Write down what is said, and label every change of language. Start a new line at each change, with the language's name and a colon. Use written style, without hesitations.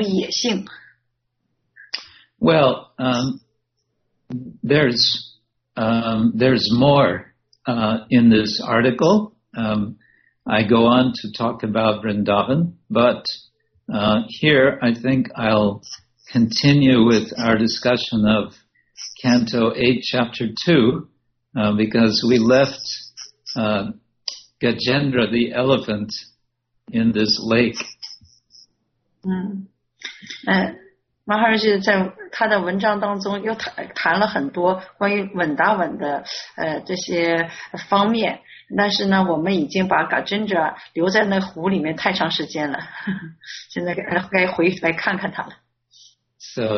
Chinese: 这些牧牛姑娘们呢，被刻画为非常单纯的乡下姑娘，甚至有一些就是部落中的姑娘。这也就意味着，这些部落姑娘们有一种就是自然的那种野性。Well,
English: there's more in this article. I go on to talk about Vrindavan, but here I think I'll continue with our discussion of Canto 8, Chapter 2, because we left Gajendra, the elephant, in this lake.
Chinese: Maharaj 在他的文章当中又谈了很多关于文达文的这些方面。但是呢，我们已经把 Gajendra 留在那湖里面太长时间了，现在该回来看看他了。So